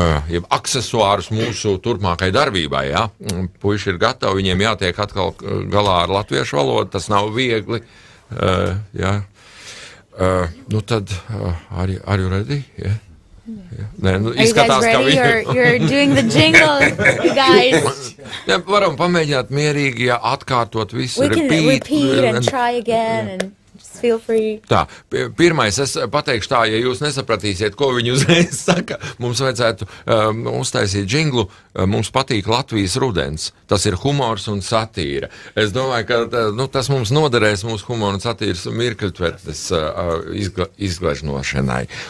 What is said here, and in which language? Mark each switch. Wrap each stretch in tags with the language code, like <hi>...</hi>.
<lv>jeb aksesuārus mūsu turpmākai darbībai, ja, puiši ir gatavi, viņiem jātiek atkal galā ar latviešu valodu, tas nav viegli, jā. Nu tad</lv> <en>are you ready? Yeah.</en> <lv>Nē, nu, izskatās, ka viņi...</lv> <en>you're doing the jingle, you guys.</en> <lv>Nē, varam pamēģināt mierīgi, ja atkārtot visu,</lv> <en>we repeat. We can repeat and try again and just feel free.</en> <lv>Tā, pirmais, es pateikšu tā, ja jūs nesapratīsiet, ko viņi uzreiz saka, mums vajadzētu uztaisīt džinglu, mums patīk Latvijas rudens, tas ir humors un satīra. Es domāju, ka nu, tas mums noderēs mūsu humoru un satīras mirkļtvertes izgležnošanai.</lv>